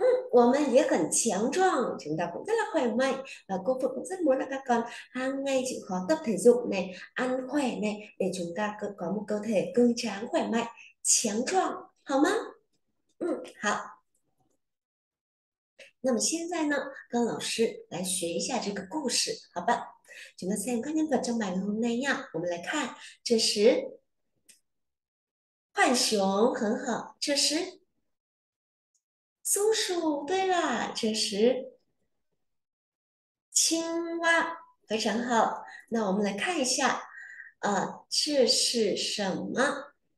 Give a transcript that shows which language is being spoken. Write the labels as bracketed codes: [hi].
[zh] 我们也很强壮， [vi] chúng ta cũng rất là khỏe mạnh và cô Phượng cũng rất muốn là các con hàng ngày chịu khó tập thể dục này, ăn khỏe này để chúng ta có một cơ thể cường tráng khỏe mạnh, [zh] 强壮，好吗？好。那么现在呢，跟老师来学一下这个故事，好吧？ [vi] chúng ta xem các nhân vật trong bài hôm nay nha， [zh] 我们来看，这时。浣熊很好，这时松鼠对了，这时青蛙非常好。那我们来看一下，这是什么？